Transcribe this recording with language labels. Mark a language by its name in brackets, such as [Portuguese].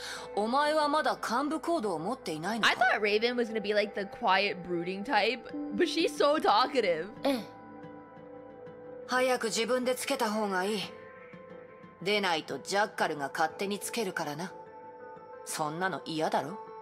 [Japanese] それが自分の任務を果たしてくれさえすれば問題ないもの。さっぱりしてるな。雑談はここまでにして、そろそろ先に進むわよ。分かってる。分かってる。お前の言う通りにするとしよう。そうだ。お前はまだ幹部行動を持っていないのか? [English] I thought Raven was gonna be like the quiet brooding type, but she's so talkative. [Japanese] 早く自分でつけた方がいい。でないとジャッカルが勝手につけるからな。そんなの嫌だろ?